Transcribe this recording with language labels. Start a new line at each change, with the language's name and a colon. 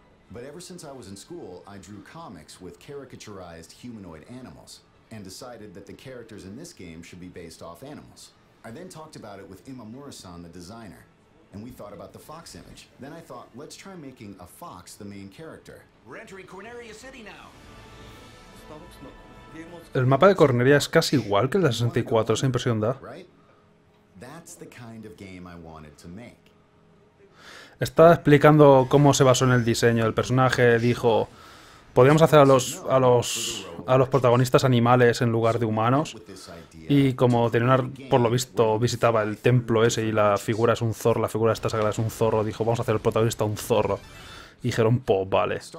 English: But ever since I was in school, I drew comics with caricaturized humanoid animals and decided that the characters in this game should be based off animals. I then talked about it with Imamura-san, the designer, and we thought about the fox image. Then I thought, let's try making a fox the main character. We're entering Corneria City now.
Spanish: El mapa de Corneria es casi igual que el de 64, esa impresión da.
English: That's the kind of game I wanted to make.
Spanish: Estaba explicando cómo se basó en el diseño. El personaje dijo, podríamos hacer a los protagonistas animales en lugar de humanos. Y como tenía una, por lo visto visitaba el templo ese y la figura es un zorro, la figura esta sagrada es un zorro, dijo, vamos a hacer el protagonista un zorro. Y dijeron, po, vale.